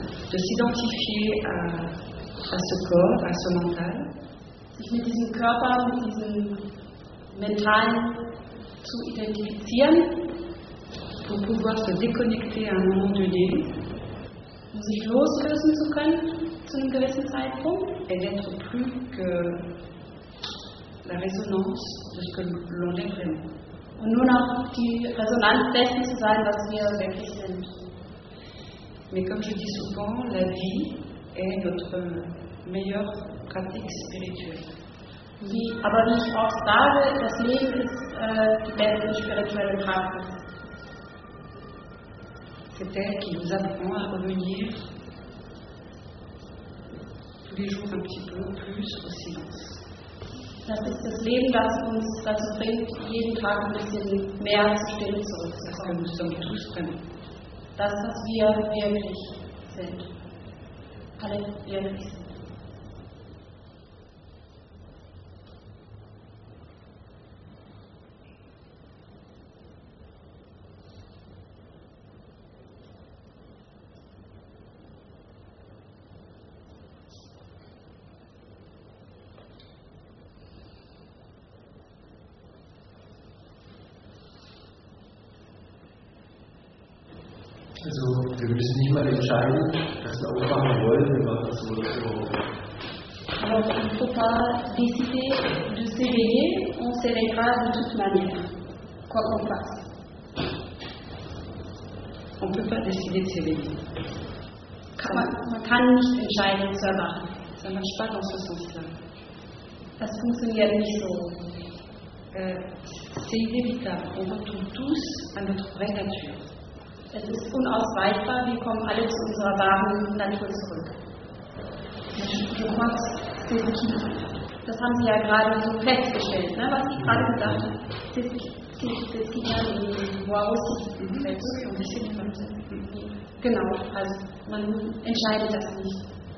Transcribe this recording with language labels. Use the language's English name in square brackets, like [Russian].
[French] De s'identifier à ce corps, à ce mental, [German] sich mit diesem Körper, mit diesem Mental zu identifizieren, [French] pour pouvoir se déconnecter à un moment donné, [German] um sich loslösen zu können zu einem gewissen Zeitpunkt, [French] et d'être plus que la résonance de ce que l'on est vraiment. [German] Und nur noch die Resonanz dessen zu sein, was wir wirklich sind. [French] Mais comme je dis souvent, la vie est notre meilleure pratique spirituelle. [German] Wie, aber wie ich auch sage, das Leben ist die beste spirituelle Praxis. [French] C'est elle qui nous apprend à revenir tous les jours un petit peu plus au silence. [German] Das ist das Leben, das uns dazu bringt, jeden Tag ein bisschen mehr zu stillen zurückzukommen. Das, was wir wirklich sind. Alle wirklich sind. Also, wir müssen nicht mal entscheiden, dass wir aufwachen wollen, wir machen das oder so. Aber [French] on ne peut pas décider de s'éveiller, on s'éveillera de toute manière, quoi qu'on fasse. On peut pas décider de s'éveiller. [German] Man kann nicht entscheiden, zu erwachen. [French] Ça marche pas dans ce sens-là. [German] Das funktioniert nicht so. [French] C'est inévitable, on retourne tous à notre vraie nature. [German] Es ist unausweichbar, wir kommen alle zu unserer wahren Natur zurück. Das haben Sie ja gerade so festgestellt, ne? Was ich gerade gesagt habe. Das geht ja in den Genau, also man entscheidet das nicht.